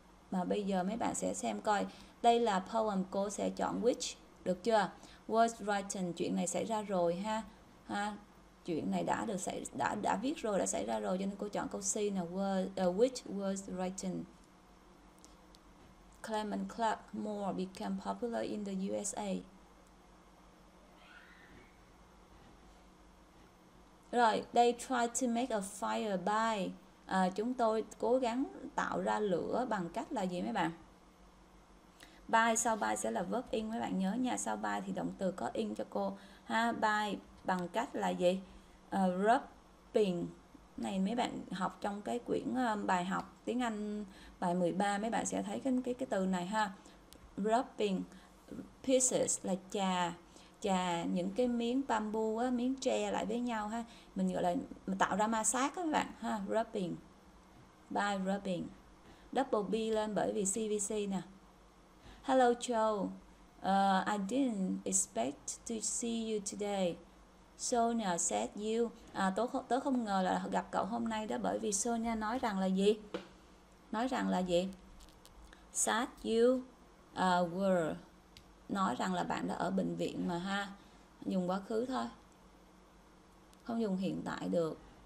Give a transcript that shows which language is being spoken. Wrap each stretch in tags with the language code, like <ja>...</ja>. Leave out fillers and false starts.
<vi>Mà bây giờ mấy bạn sẽ xem coi, đây là poem, cô sẽ chọn which, được chưa?</vi> <en>Was written,</en> <vi>chuyện này xảy ra rồi ha. Ha, chuyện này đã được xảy, đã viết rồi, đã xảy ra rồi, cho nên cô chọn câu C là</vi> <en>which was written. Clement Clarke Moore became popular in the USA.</en> <vi>Rồi,</vi> <en>they try to make a fire by,</en> <vi>chúng tôi cố gắng tạo ra lửa bằng cách là gì mấy bạn? By, sau by sẽ là verb in, mấy bạn nhớ nha, sau by thì động từ có in cho cô ha. By bằng cách là gì? Rubbing. Này mấy bạn học trong cái quyển bài học tiếng Anh bài 13, mấy bạn sẽ thấy cái từ này ha.</vi> <en>Rubbing pieces</en> <vi>là chà chà những cái miếng bamboo á, miếng tre lại với nhau ha, mình gọi là tạo ra ma sát các bạn ha.</vi> <en>Rubbing, by rubbing. Double B</en> <vi>lên bởi vì CVC nè.</vi> <en>Hello Joe, I didn't expect to see you today. Sonia said you,</en> <vi>tớ không ngờ là gặp cậu hôm nay đó, bởi vì Sonia nói rằng là gì? Nói rằng là gì?</vi> <en>Said you were,</en> <vi>nói rằng là bạn đã ở bệnh viện mà ha, dùng quá khứ thôi, không dùng hiện tại được.</vi>